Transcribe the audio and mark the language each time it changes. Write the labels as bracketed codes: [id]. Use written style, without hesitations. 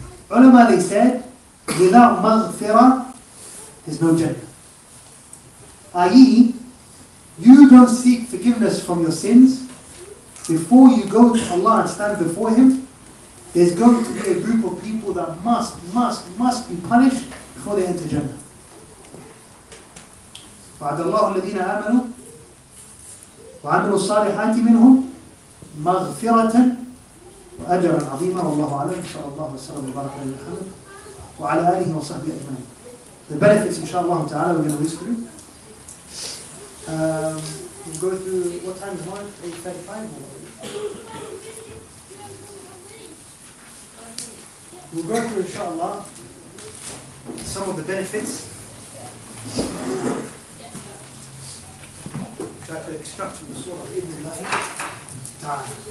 [en] Ulama, they said, without maghfirah, there's no Jannah. I.e., you don't seek forgiveness from your sins, before you go to Allah and stand before Him, there's going to be a group of people that must be punished before they enter Jannah. [ar] فَعَدَ اللَّهُ الَّذِينَ آمَنُوا وَعَمِلُوا الصَّالِحَاتِ مِنْهُمْ مَغْفِرَةً وأجرا عظيما والله أعلم إن شاء الله وسلم وبارك على محمد وعلى آله وصحبه أجمعين. [en] The benefits [ar] إن شاء الله تعالى [en] we're going to list for you. We'll go through what time is mine? 8:35 or we'll go through [ar] إن شاء الله [en] some of the benefits that the extraction of surah Ibn Allah تعالى